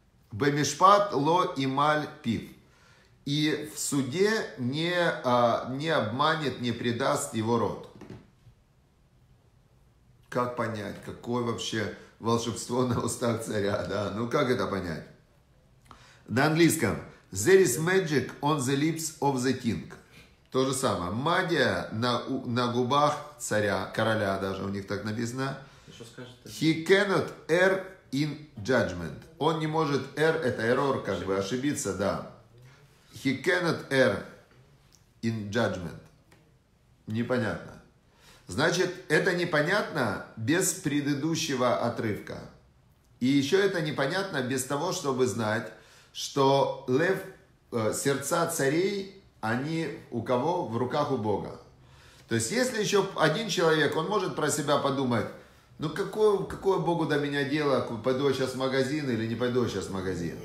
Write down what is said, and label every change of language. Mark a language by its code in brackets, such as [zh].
[he] Бемешпат ло ималь пив. [ru] И в суде не обманет, не предаст его рот. Как понять, какое вообще волшебство на устах царя? Да, ну как это понять? На английском. [en] There is magic on the lips of the king. [ru] То же самое. Магия на губах царя, короля даже, у них так написано. [en] He cannot err in judgment. [ru] Он не может err, это error, как бы ошибиться, да. [en] He cannot err in judgment. [ru] Непонятно. Значит, это непонятно без предыдущего отрывка. И еще это непонятно без того, чтобы знать, что лев, сердца царей, они у кого? В руках у Бога. То есть, если еще один человек, он может про себя подумать, ну, какое Богу до меня дело, пойду я сейчас в магазин или не пойду я сейчас в магазин?